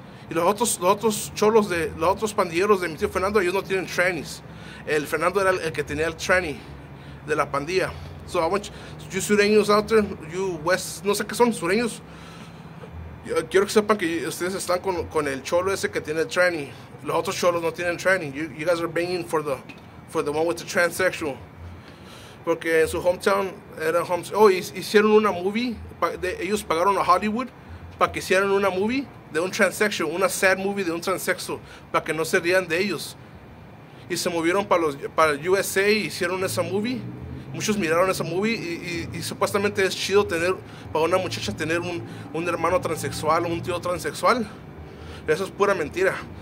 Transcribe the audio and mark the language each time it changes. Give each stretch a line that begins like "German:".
Spanish: Y los otros cholos, los otros pandilleros de mi tío Fernando, ellos no tienen trannies. El Fernando era el que tenía el tranny de la pandilla.
English: So, I want you sureños out there, you west,
Spanish: no sé qué son,
English: sureños.
Spanish: Yo quiero que sepan que ustedes están con el cholo ese que tiene el tranny. Los otros cholos no tienen tranny.
English: You guys are banging for the one with the transsexual.
Spanish: Porque en su hometown era hicieron una movie. Ellos pagaron a Hollywood para que hicieran una movie de un transsexual, una sad movie de un transsexual, para que no se rían de ellos. Y se movieron para el USA y hicieron esa movie. Muchos miraron esa movie y supuestamente es chido tener, para una muchacha, tener un hermano transexual o un tío transexual. Eso es pura mentira.